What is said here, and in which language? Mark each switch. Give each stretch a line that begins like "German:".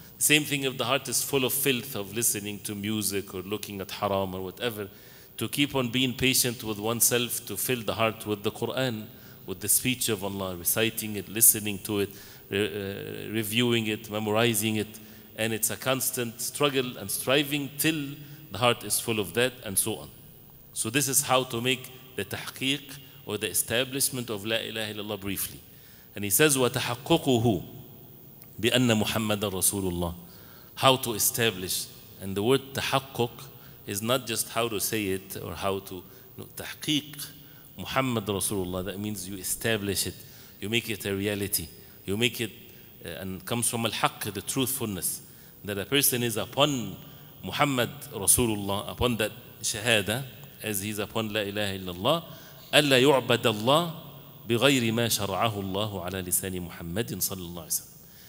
English: Same thing if the heart is full of filth, of listening to music or looking at haram or whatever, to keep on being patient with oneself, to fill the heart with the Quran, with the speech of Allah, reciting it, listening to it, reviewing it, memorizing it, and it's a constant struggle and striving till the heart is full of that, and so on. So this is how to make the tahqiq or the establishment of La ilaha illallah briefly. And he says,
Arabic: وَتَحَقُّقُهُ بِأَنَّ مُحَمَّدًا رَسُولُ اللَّهِ.
English: How to establish. And the word tahakkuk is not just how to say it or how to, no, tahqiq Muhammad Rasulullah, that means you establish it, you make it a reality, you make it, and comes from al-haq, the truthfulness, that a person is upon Muhammad Rasulullah, upon that shahada, as he's upon La ilaha illallah,
Arabic: أَلَّا يُعْبَدَ اللَّهِ بِغَيْرِ مَا شَرَعَهُ اللَّهُ عَلَى لِسَانِ مُحَمَّدٍ صَلَّى اللَّهِ عَلَيْهِ وَسَلَّمَ.